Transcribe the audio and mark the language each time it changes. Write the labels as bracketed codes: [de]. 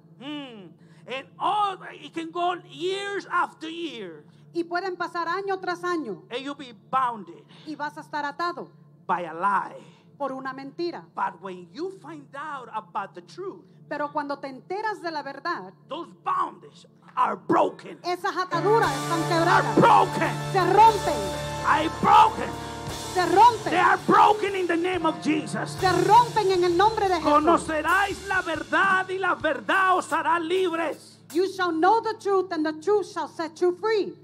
[en] And all, it can go on years after year. [es] Y pueden pasar año tras año. [en] And you'll be bounded. [es] Y vas a estar atado. [en] By a lie. [es] Por una mentira. [en] But when you find out about the truth. [es] Pero cuando te enteras de la verdad. [en] Those bondages are broken. [es] Esas ataduras están quebradas. [en] Are broken. [es] Se rompen. [en] Are broken. [es] Se rompen. [en] They are broken in the name of Jesus. [es] Se rompen en el nombre de Jesús. Conoceráis la verdad y la verdad os hará libres. [en] You shall know the truth and the truth shall set you free.